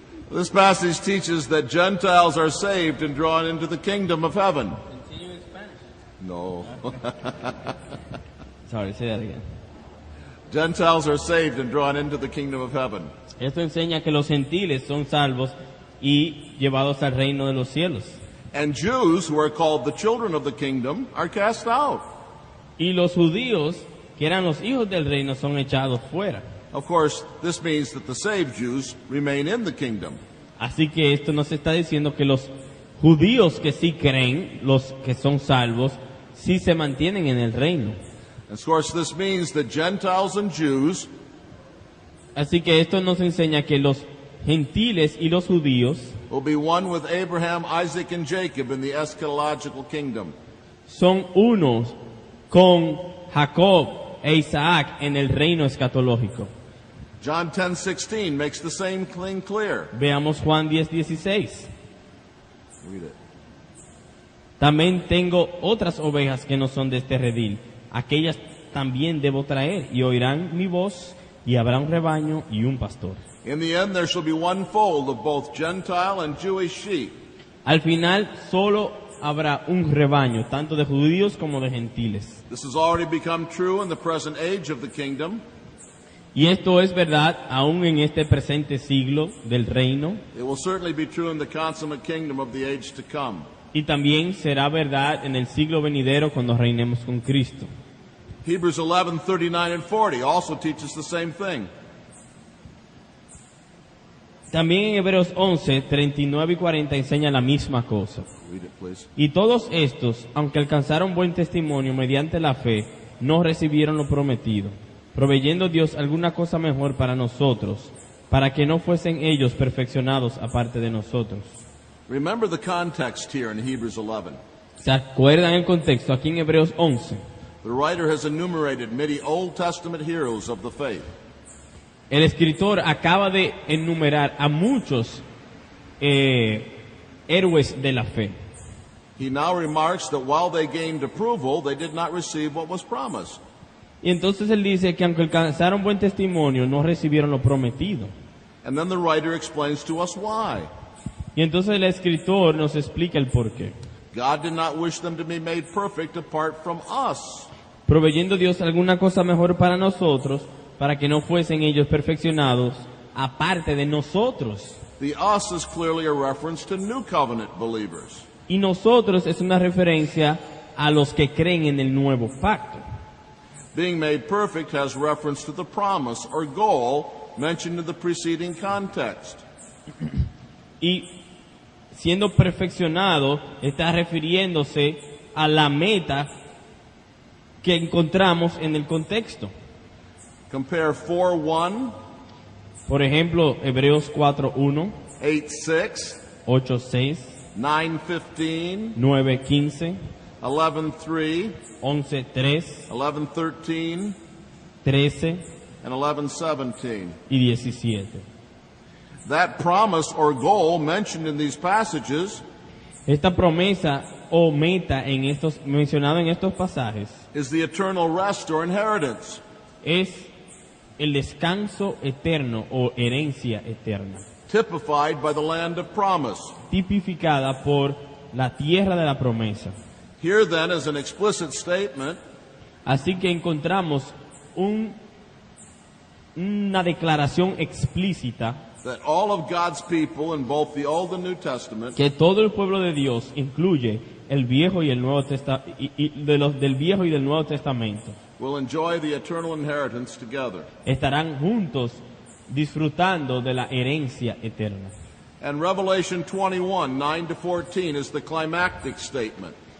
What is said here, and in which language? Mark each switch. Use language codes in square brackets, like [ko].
[en] This passage teaches that Gentiles are saved and drawn into the kingdom of heaven. Continue in Spanish. No. Sorry, say that again. Gentiles are saved and drawn into the kingdom of heaven. [es] Esto enseña que los gentiles son salvos y llevados al reino de los cielos. [en] And Jews, who are called the children of the kingdom, are cast out. [es] Y los judíos, que eran los hijos del reino, son echados fuera. [en] Of course, this means that the saved Jews remain in the kingdom. [es] Así que esto nos está diciendo que los judíos que sí creen, los que son salvos, sí se mantienen en el reino. [en] Of course, this means that Gentiles and Jews. [es] Así que esto nos enseña que los gentiles y los judíos [en] will be one with Abraham, Isaac, and Jacob in the eschatological kingdom. [es] Son unos con Jacob e Isaac en el reino escatológico. [en] John 10:16 makes the same thing clear. [es] Veamos Juan 10:16. [en] Read it. [es] También tengo otras ovejas que no son de este redil. Aquellas también debo traer, y oirán mi voz, y habrá un rebaño y un pastor. [en] In the end there shall be one fold of both Gentile and Jewish sheep. [es] Al final solo habrá un rebaño, tanto de judíos como de gentiles. [en] This has already become true in the present age of the kingdom. [es] Y esto es verdad aún en este presente siglo del reino. [en] It will certainly be true in the consummate kingdom of the age to come. [es] Y también será verdad en el siglo venidero cuando reinemos con Cristo. [en] Hebrews 11:39 and 40 also teaches the same thing. [es] También en Hebreos 11:39 y 40 enseña la misma cosa. [en] Read it, please. [es] Y todos estos, aunque alcanzaron buen testimonio mediante la fe, no recibieron lo prometido, proveyendo Dios alguna cosa mejor para nosotros, para que no fuesen ellos perfeccionados aparte de nosotros. [en] Remember the context here in Hebrews 11. [es] ¿Se acuerdan el contexto aquí en Hebreos 11? [en] The writer has enumerated many Old Testament heroes of the faith. [es] El escritor acaba de enumerar a muchos héroes de la fe. [en] He now remarks that while they gained approval, they did not receive what was promised. [es] Y entonces él dice que aunque alcanzaron buen testimonio, no recibieron lo prometido. [en] And then the writer explains to us why. [es] Y entonces el escritor nos explica el porqué. [en] God did not wish them to be made perfect apart from us. [es] Proveyendo Dios alguna cosa mejor para nosotros, para que no fuesen ellos perfeccionados aparte de nosotros. [en] The us is clearly a reference to new covenant believers. [es] Y nosotros es una referencia a los que creen en el nuevo pacto. [en] Being made perfect has reference to the promise or goal mentioned in the preceding context. [es] Y siendo perfeccionado está refiriéndose a la meta que encontramos en el contexto. [en] Compare 4:1. [es] Por ejemplo, Hebreos 4:1. [en] 8:6. [es] 8:6. [en] 9:15. [es] 9:15. [en] 11:3. [es] 11:3. [en] 11:13. [es] 13. [en] And 11:17. [es] Y 17. [en] That promise or goal mentioned in these passages. [es] Esta promesa o meta en estos mencionado en estos pasajes. [en] Is the eternal rest or inheritance. [es] Es el descanso eterno o herencia eterna. [en] Typified by the land of promise. [es] Tipificada por la tierra de la promesa. [en] Here then is an explicit statement. [es] Así que encontramos una declaración explícita. [en] That all of God's people in both the Old and New Testament. [es] Que todo el pueblo de Dios, incluye el Viejo y el Nuevo Testamento, de los del Viejo y del Nuevo Testamento. [en] We'll enjoy the eternal inheritance together. [es] Estarán juntos disfrutando de la herencia eterna. [en] And Revelation 21, 9-14 is the climactic statement.